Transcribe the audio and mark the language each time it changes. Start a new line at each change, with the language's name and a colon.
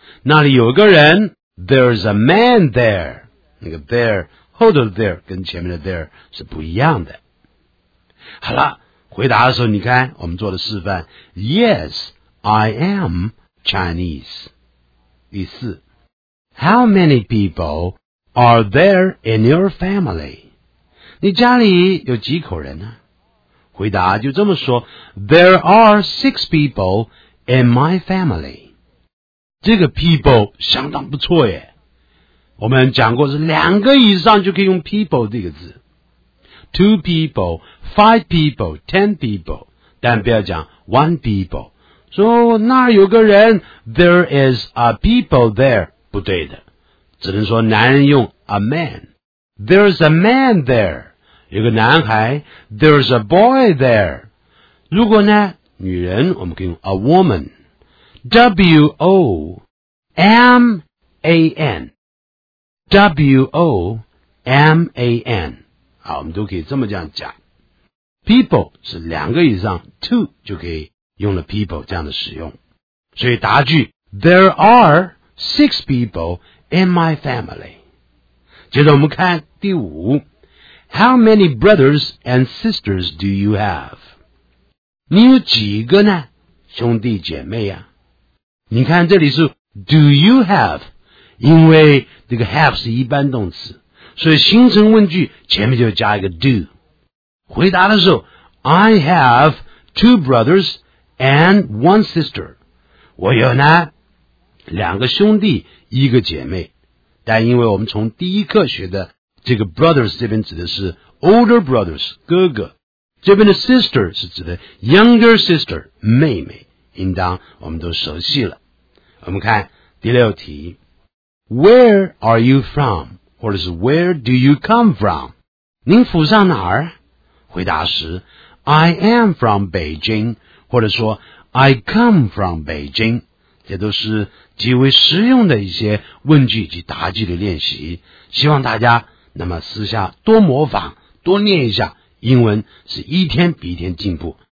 Chinese: 那里有个人，
English: There's a man there.
Chinese: 那个 there 后头的 there 跟前面的 there 是不一样的。好了，回答的时候你看我们做的示范，
English: Yes, I am Chinese.
Chinese: 第四，
English: How many people are there in your family?
Chinese: 你家里有几口人呢？回答就这么说，
English: There are 6 people in my family.
Chinese: 这个 people 相当不错耶，我们讲过是两个以上就可以用 people 这个字， 2 people, 5 people, 10 people， 但不要讲 1 people， 说那有个人，
English: there is a people there，
Chinese: 不对的，只能说男人用 a man，
English: there's a man there，
Chinese: 有个男孩，
English: there's a boy there，
Chinese: 如果呢女人我们可以用 a womanW-O-M-A-N W-O-M-A-N 好，我们都可以这么这样讲， People 是两个以上， Two 就可以用了 people 这样的使用。所以答句
English: There are 6 people in my family。接着我们看第五， How many brothers and sisters do you have?
Chinese: 你有几个呢兄弟姐妹啊？你看这里是 do you have， 因为这个 have 是一般动词，所以形成问句前面就加一个 do。回答的时候
English: I have 2 brothers and 1 sister，
Chinese: 我有呢两个兄弟一个姐妹。但因为我们从第一课学的这个 brothers 这边指的是 older brothers 哥哥，这边的 sister 是指的 younger sister 妹妹，应当我们都熟悉了。
English: 我们看第六题， Where are you from? 或者是 Where do you come from?
Chinese: 您府上哪儿？回答时
English: I am from Beijing，
Chinese: 或者说
English: I come from Beijing，
Chinese: 这都是极为实用的一些问句及答句的练习，希望大家那么私下多模仿多念一下，英文是一天比一天进步。